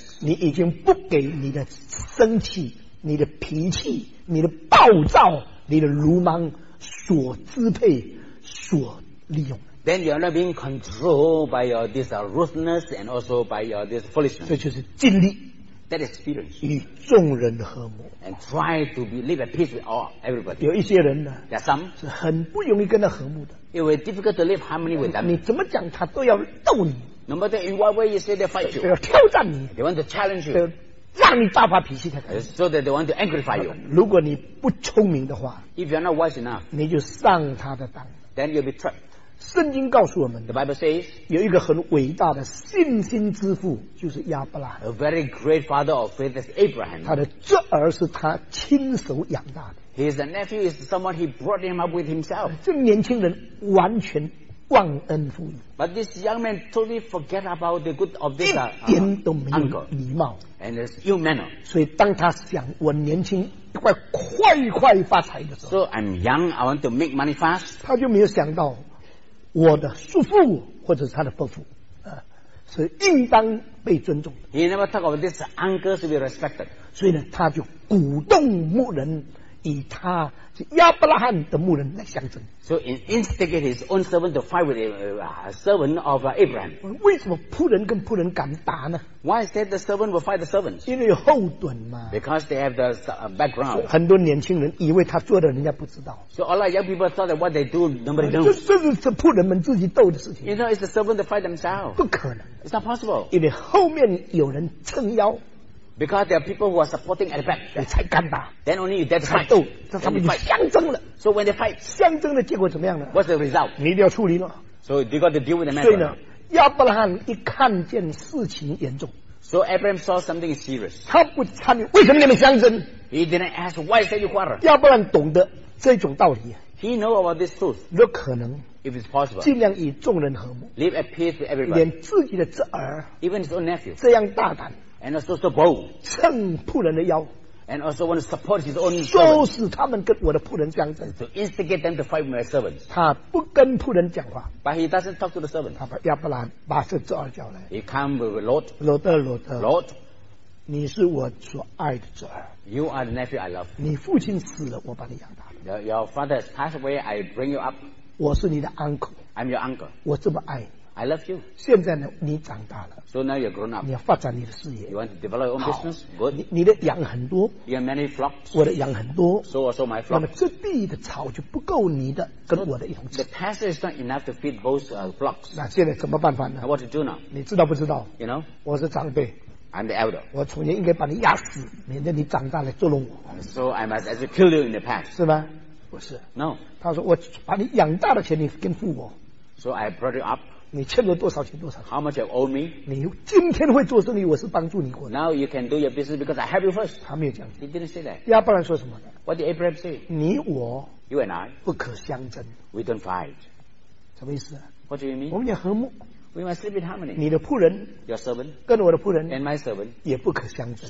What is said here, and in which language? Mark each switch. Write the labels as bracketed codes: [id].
[zh] 你已经不给你的生气你的脾气你的暴躁你的鲁莽所支配所利用 [en] then you are not being controlled by your this ruthlessness and also by your this foolishness. [zh] 这就是尽力。 [en] That experience. [zh] 与众人和睦。 [en] And try to be live at peace with all everybody. [zh] 有一些人呢 [en] ，There are some [zh] 是很不容易跟他和睦的。 [en] It will be difficult to live harmony with them. [zh] 你怎么讲他都要斗你。 [en] No matter in what way you say they fight you. [zh] 要挑战你。 [en] They want to challenge you. [zh] 让你大发脾气才可以。 [en] So that they want to angrify you. [zh] 如果你不聪明的话 [en] ，If you are not wise enough， [zh] 你就上他的当。 [en] Then you'll be trapped. [zh] 圣经告诉我们 [en] ，The Bible says， [zh] 有一个很伟大的信心之父，就是亚伯拉罕。 [en] A very great father of faith is Abraham。 [zh] 他的侄儿是他亲手养大的。 [en] His nephew is someone he brought him up with himself。 [zh] 这年轻人完全忘恩负义。 [en] But this young man totally forget about the good of this uncle。 [zh] 一点都没有礼貌。 [en] And his ill manner。 [zh] 所以当他想我年轻。快发财的时候 [en] ，So I'm young, I want to make money fast。 [zh] 他就没有想到。我的叔父或者是他的伯父、是应当被尊重的。 [en] He never talk about this uncle to be respected. [zh] 所以呢，他就鼓动牧人，以他是亚伯拉罕的牧人来相争。 [en] So he instigated his own servant to fight with a servant of Abraham. [zh] 为什么仆人跟仆人敢打呢 [en] ？Why is that the servant will fight the servant? [zh] 因为有后盾嘛。 [en] Because they have the background. [zh] 很多年轻人以为他做的人家不知道。 [en] So a lot of young people thought that what they do nobody knows. [zh] 这是仆人们自己斗的事情。 [en] You know, it's the servant to fight themselves. [zh] 不可能。 [en] It's not possible. [zh] 因为后面有人撑腰。 [en] Because there are people who are supporting at the back, [zh] 你才敢打。 [en] Then only you dare to fight. [zh] 才斗，这他们就相争了。 [en] So when they fight, [zh] 相争的结果怎么样呢 [en] ？What's the result? [zh] 你一定要处理了。 [en] So you got to deal with the matter. [zh] 所以呢，亚伯拉罕一看见事情严重 [en] ，So Abraham saw something serious. [zh] 他不参与，为什么你们相争 [en] ？He didn't ask why they quarrel. [zh] 亚伯拉罕懂得这种道理。 [en] He know about this truth. [zh] 若可能。 [en] If it's possible, [zh] 尽量与众人和睦 [en] ，live at peace with everybody， [zh] 连自己的侄儿 [en] ，even his own nephew， [zh] 这样大胆 [en] ，and also so bold， [zh] 撑仆人的腰 [en] ，and also want to support his own servants， [zh] 唆使他们跟我的仆人相争 [en] ，to instigate them to fight with my servants， [zh] 他不跟仆人讲话 [en] ，but he doesn't talk to the servants， [zh] 他把亚伯兰把这侄儿叫来 [en] ，he come with Lot， [zh] 罗德罗德 [en] ，Lot， [zh] 你是我所爱的侄儿 [en] ，you are the nephew I love， [zh] 你父亲死了，我把你养大 [en] ，your father has passed away， I bring you up。 [zh] 我是你的 uncle， [en] I'm your uncle， [zh] 我这么爱你， [en] I love you。 [zh] 现在呢，你长大了， [en] So now you're grown up， [zh] 你要发展你的事业， [en] You want to develop your own business， Good， [zh] 你的羊很多， [en] You have many flocks， [zh] 我的羊很多， [en] So also my flock， [zh] 那么这地的草就不够你的跟我的一同吃， [en] The pasture is not enough to feed both flocks。 [zh] 那现在怎么办法呢？ [en] What to do now？ [zh] 你知道不知道？ [en] You know， [zh] 我是长辈。 [en] I'm the elder. [zh] 我从前应该把你压死，免得你长大来捉弄我。 [en] So I must actually kill you in the past， [zh] 是吗？ [en] No. [zh] 他说我把你养大的钱你跟父母 [en] So I brought you up. [zh] 你欠了多少钱多少 [en] How much you owe me? [zh] 你今天会做生意我是帮助你过的 [en] Now you can do your business because I help you first. [zh] 他没有这样 [en] He didn't say that. [zh] 亚伯兰说什么呢 [en] What did Abraham say? [zh] 你我 [en] You and I [zh] 不可相争 [en] We don't fight. [zh] 什么意思 [en] What do you mean? [zh] 我们要和睦 [en] We must live in harmony. [zh] 你的仆人 [en] Your servant [zh] 跟我的仆人 [en] And my servant [zh] 也不可相争